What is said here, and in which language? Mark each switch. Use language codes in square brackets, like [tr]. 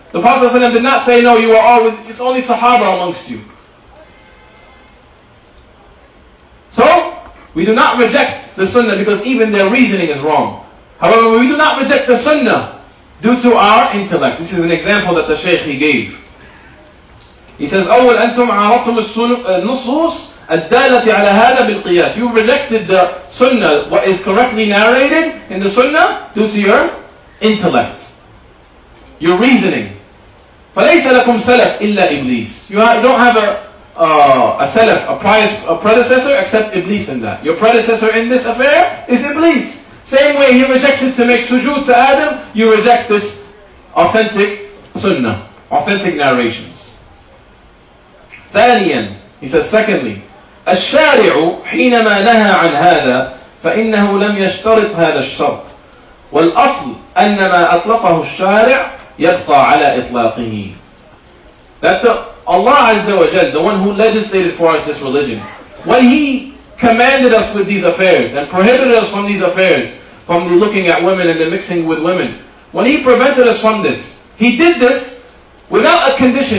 [en] The Prophet ﷺ did not say, no, you are all with, it's only Sahaba amongst you. So, we do not reject the Sunnah because even their reasoning is wrong. However, we do not reject the Sunnah due to our intellect. This is an example that the Shaykh he gave. He says, [ar] أول أنتم عارضتم النصوص الدالة على هذا بالقياس. [en] You rejected the Sunnah, what is correctly narrated in the Sunnah, due to your intellect, your reasoning. [ar] فليس لكم سلف إلا إبليس. [en] You don't have a salaf, a predecessor, except Iblis in that. Your predecessor in this affair is Iblis. Same way he rejected to make sujood to Adam, you reject this authentic Sunnah, authentic narration. [ar] ثانيا, [en] he says, secondly, [ar] الشارع حينما نهى عن هذا فإنه لم يشترط هذا الشرط والأصل أن ما أطلقه الشارع يبقى على إطلاقه. [en] That Allah Azza wa Jal, the one who legislated for us this religion, when he commanded us with these affairs and prohibited us from these affairs, from the looking at women and the mixing with women, When he prevented us from this, he did this without a condition.